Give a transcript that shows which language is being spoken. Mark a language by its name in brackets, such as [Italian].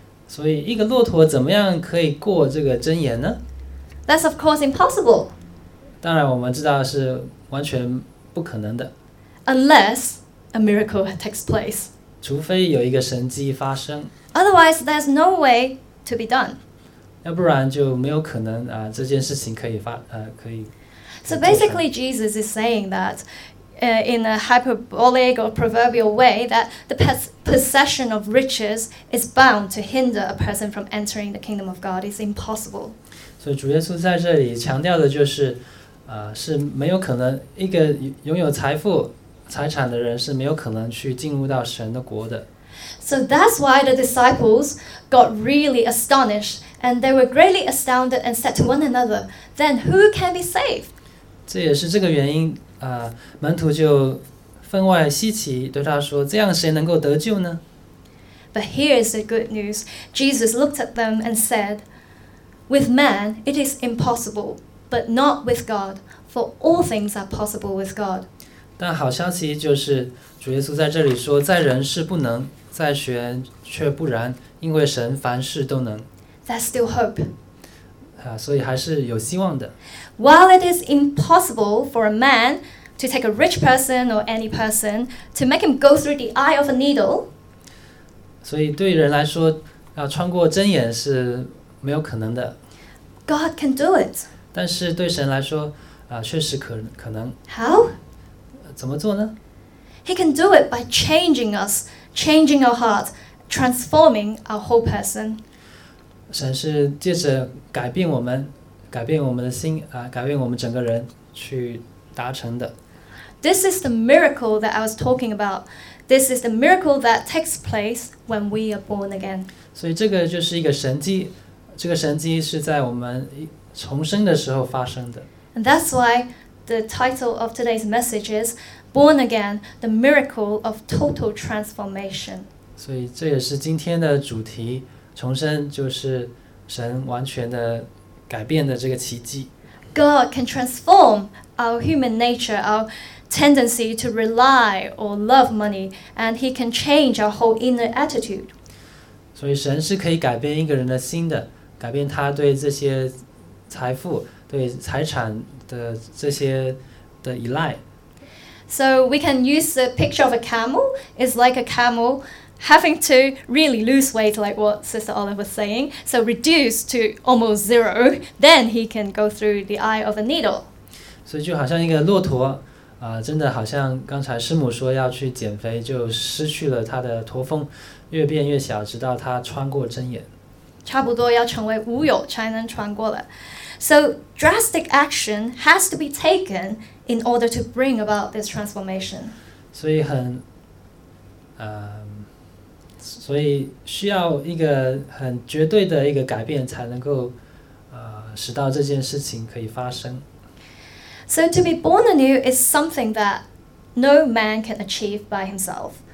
[Chinese] 所以一个骆驼怎么样可以过这个针眼呢？ [English] That's of course impossible. [Chinese] 当然我们知道是完全不可能的。 [English] Unless a miracle takes place. [Chinese] 除非有一个神迹发生。 [English] Otherwise, there's no way to be done. [Chinese] 要不然就没有可能这件事情可以。 [English] So basically, Jesus is saying that in a hyperbolic or proverbial way, that the possession of riches is bound to hinder a person from entering the kingdom of God. It's impossible. [Chinese] So, 主耶稣在这里强调的就是，是没有可能一个拥有财富、财产的人是没有可能去进入到神的国的。 [English] So that's why the disciples got really astonished, and they were greatly astounded and said to one another, "Then who can be saved?" [Chinese] 这也是这个原因。门徒就分外稀奇，对他说：“这样谁能够得救呢？” [English] But here is the good news. Jesus looked at them and said, "With man it is impossible, but not with God. For all things are possible with God." [Chinese] 但好消息就是，主耶稣在这里说：“在人是不能，在神却不然，因为神凡事都能。” [English] That's still hope. [Chinese] 所以还是有希望的。 [English] While it is impossible for a man to take a rich person or any person to make him go through the eye of a needle. [Chinese] 所以对人来说，要穿过针眼是没有可能的。 [English] God can do it. [Chinese] 但是对神来说，确实可能。 [English] How? [Chinese] 怎么做呢？ [English] He can do it by changing us, changing our heart, transforming our whole person. [Chinese] 神是借着改变我们，改变我们的心，改变我们整个人去达成的。 [English] This is the miracle that I was talking about. This is the miracle that takes place when we are born again. [Chinese] 所以这个就是一个神迹，这个神迹是在我们重生的时候发生的。 [English] And that's why the title of today's message is Born Again, the Miracle of Total Transformation. [Chinese] 所以这也是今天的主题，重生就是神完全的改变的这个奇迹。 [English] God can transform our human nature, our tendency to rely or love money, and he can change our whole inner attitude. [Chinese] 所以神是可以改变一个人的心的，改变他对这些财富，对财产的这些的依赖。 [English] So we can use the picture of a camel. It's like a camel having to really lose weight, like what Sister Olive was saying. So reduce to almost zero, then he can go through the eye of a needle. [Chinese] 所以就好像一个骆驼，真的好像刚才师母说要去减肥，就失去了他的驼峰，越变越小，直到他穿过针眼。差不多要成为无有才能穿过了。 [English] So drastic action has to be taken in order to bring about this transformation. [Chinese] 所以很，所以需要一个很绝对的一个改变才能够，使到这件事情可以发生。 [English] So to be born anew is something that no man can achieve by himself.